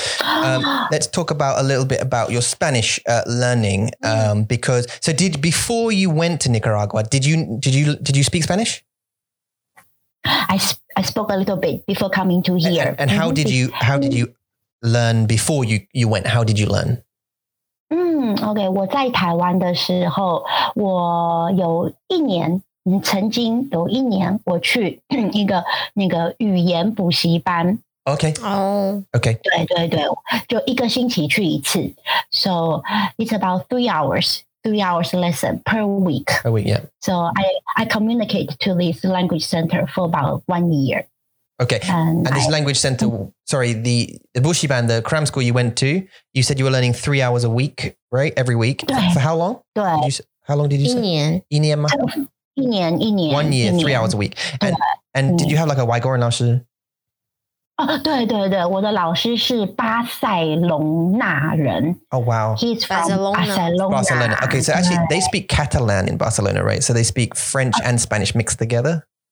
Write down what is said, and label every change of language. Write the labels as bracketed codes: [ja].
[en] Let's talk about a little bit about your Spanish learning. Because so did before you went to Nicaragua, did you speak Spanish? I spoke a little bit before coming to here. And how did you learn before you went? How did you learn? Okay. [zh] 我在台湾的时候，我有一年。曾经有一年我去一个那个语言补习班。 [en] Okay. [zh] 对对对，就一个星期去一次。 [en] So it's about three hours lesson per week. Yeah. So I communicate to this language center for about 1 year. Okay. And this language center, sorry, the Bushiban, the cram school you went to, you said you were learning 3 hours a week, right? Every week. For how long? [zh] 对。 [en] How long did you say? [zh] 一年吗？一年。 [en] 1 year, 3 hours a week. And did you have like a 外国人老师？ [zh] Oh, 对对对，我的老师是巴塞隆纳人。 [en] Oh, wow. He's from Barcelona. Okay, so actually, they speak Catalan in Barcelona, right? So they speak French and Spanish mixed together.